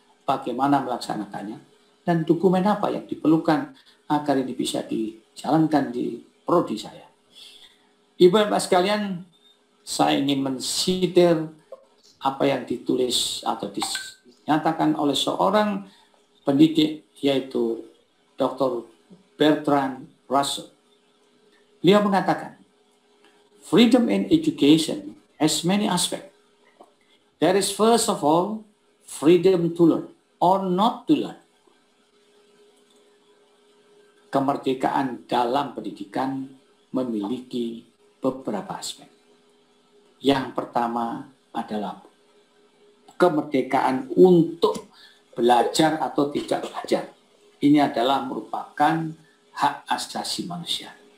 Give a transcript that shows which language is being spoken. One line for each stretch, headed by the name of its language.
Indonesian: Bagaimana melaksanakannya? Dan dokumen apa yang diperlukan agar ini bisa dijalankan di prodi saya? Ibu dan Bapak sekalian, saya ingin mensitir apa yang ditulis atau dinyatakan oleh seorang pendidik, yaitu Dr. Bertrand Russell. Beliau mengatakan,
English: "Freedom in education has many aspects. There is first of all freedom to learn or not to learn."
Indonesian: Kemerdekaan dalam pendidikan memiliki beberapa aspek. Yang pertama adalah kemerdekaan untuk belajar atau tidak belajar. Ini adalah merupakan hak asasi manusia.